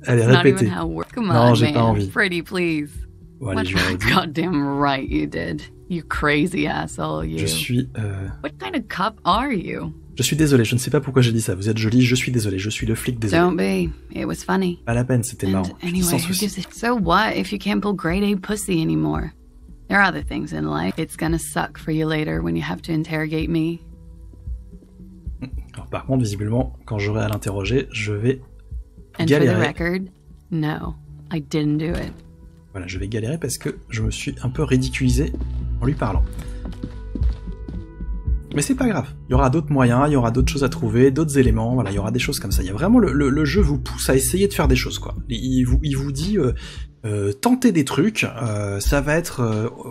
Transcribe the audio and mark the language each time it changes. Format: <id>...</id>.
<fr>Allez, répétez. Non, j'ai pas envie. Freddy, please. Voilà, je vous</fr> <en>goddamn right you did. You crazy asshole, you.</en> <fr>Je suis.</fr> <en>What kind of cop are you?</en> <fr>Je suis désolé, je ne sais pas pourquoi j'ai dit ça. Vous êtes jolie, je suis désolé, je suis le flic désolé.</fr> <en>Don't be. It was funny.</en> <fr>Pas la peine, c'était marrant.</fr> <en>So what if you can't pull grade A pussy anymore? There are other things in life. It's gonna suck for you later when you have to interrogate me.</en> <fr>Alors par contre, visiblement, quand j'aurai à l'interroger, je vais galérer.</fr> <en>And for the record, no, I didn't do it.</en> <fr>Voilà, je vais galérer parce que je me suis un peu ridiculisé en lui parlant. Mais c'est pas grave. Il y aura d'autres moyens, il y aura d'autres choses à trouver, d'autres éléments. Voilà, il y aura des choses comme ça. Il y a vraiment le jeu vous pousse à essayer de faire des choses, quoi. Il vous dit. Tenter des trucs, ça va être...</fr>